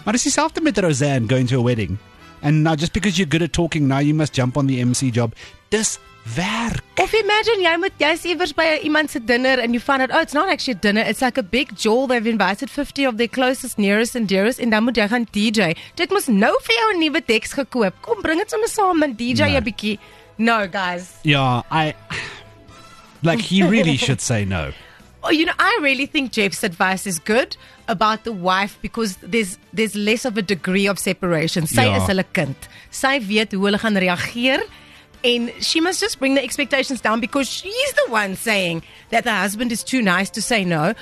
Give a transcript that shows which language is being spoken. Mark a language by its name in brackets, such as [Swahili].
[English] But it's yourself to meet Rozanne going to a wedding. And now just because you're good at talking, now you must jump on the MC job. This werk. Of imagine, [Afrikaans] jy's iewers by iemand se [English] dinner and you find out, oh, it's not actually a dinner, it's like a big jol, they've invited 50 of their closest, nearest and dearest, [Afrikaans] en dan moet jy gaan [English] DJ. [Afrikaans] Dit moes nou vir jou 'n nuwe deks gekoop. Kom, bring dit sommer saam en DJ 'n bietjie. [English] No, guys. Yeah, I... Like, he really should say no. Oh, you know, I really think Jeff's advice is good about the wife because there's less of a degree of separation. [Afrikaans] Sy is hulle kind. Sy weet hoe hulle gaan reageer. [English] And she must just bring the expectations down because she's the one saying that the husband is too nice to say no.